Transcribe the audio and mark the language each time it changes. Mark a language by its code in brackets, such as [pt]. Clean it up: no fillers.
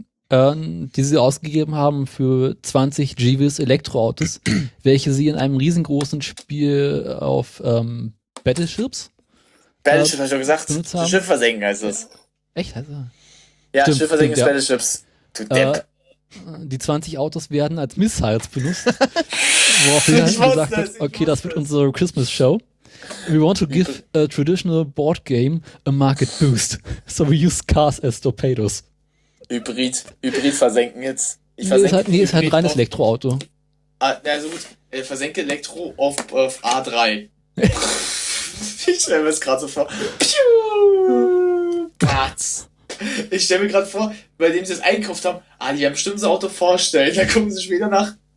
[de] Die sie ausgegeben haben für 20 GVs Elektroautos, welche sie in einem riesengroßen Spiel auf Battleships, hab ich schon gesagt. Schiff versenken heißt das. Echt? Also, ja, stimmt, Schiff versenken ist ja. Battleships. Die 20 Autos werden als Missiles benutzt. Woraufhin halt gesagt hat, okay, das wird unsere Christmas-Show. [en] We want to give a traditional board game a market boost. So we use cars as torpedoes. [de] Hybrid versenken jetzt. Ist halt ein reines Elektroauto. Na so gut. Versenke Elektro auf A3. Ich stelle mir das gerade so vor. Piu! Patz! Ich stelle mir gerade vor, bei dem sie das eingekauft haben, die haben bestimmt so ein Auto vorstellen. Da gucken sie später nach.